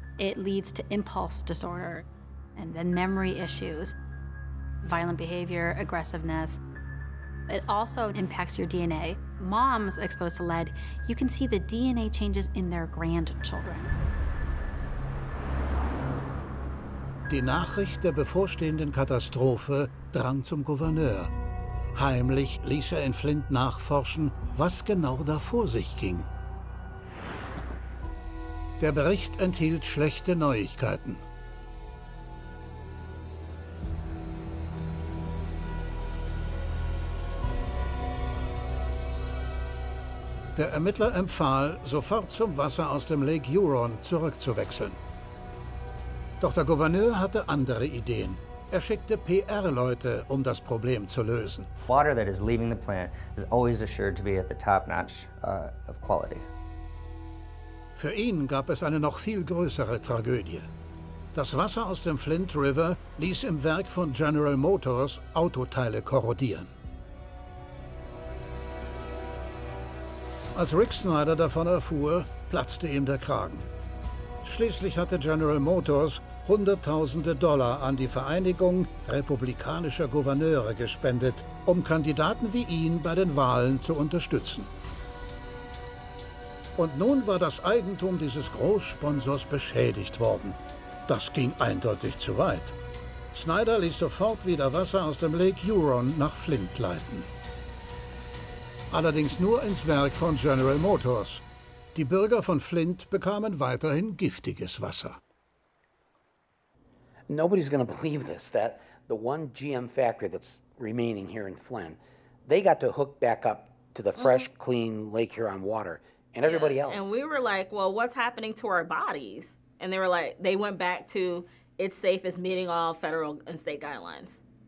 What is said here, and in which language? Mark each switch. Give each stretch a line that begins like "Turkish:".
English: It leads to impulse disorder and then memory issues, violent behavior, aggressiveness. It also impacts your DNA. Moms exposed to lead, you can see the DNA changes in their grandchildren.
German: Die Nachricht der bevorstehenden Katastrophe drang zum Gouverneur. Heimlich ließ er in Flint nachforschen, was genau da vor sich ging. Der Bericht enthielt schlechte Neuigkeiten. Der Ermittler empfahl, sofort zum Wasser aus dem Lake Huron zurückzuwechseln. Doch der Gouverneur hatte andere Ideen. Er schickte PR-Leute, um das Problem zu lösen.
English: Water that is leaving the plant is always assured to be at the top notch of quality.
German: Für ihn gab es eine noch viel größere Tragödie. Das Wasser aus dem Flint River ließ im Werk von General Motors Autoteile korrodieren. Als Rick Snyder davon erfuhr, platzte ihm der Kragen. Schließlich hatte General Motors hunderttausende Dollar an die Vereinigung republikanischer Gouverneure gespendet, um Kandidaten wie ihn bei den Wahlen zu unterstützen. Und nun war das Eigentum dieses Großsponsors beschädigt worden. Das ging eindeutig zu weit. Snyder ließ sofort wieder Wasser aus dem Lake Huron nach Flint leiten. Allerdings nur ins Werk von General Motors. Die Bürger von Flint bekamen weiterhin giftiges Wasser.
English: Nobody's going to believe this, that the one GM factory that's remaining here in Flint, they got to hook back up to the fresh, clean Lake Huron water, and everybody else. And we were like, well, what's happening to our bodies? And they were like, they went back to, it's safe, it's meeting all federal and state guidelines.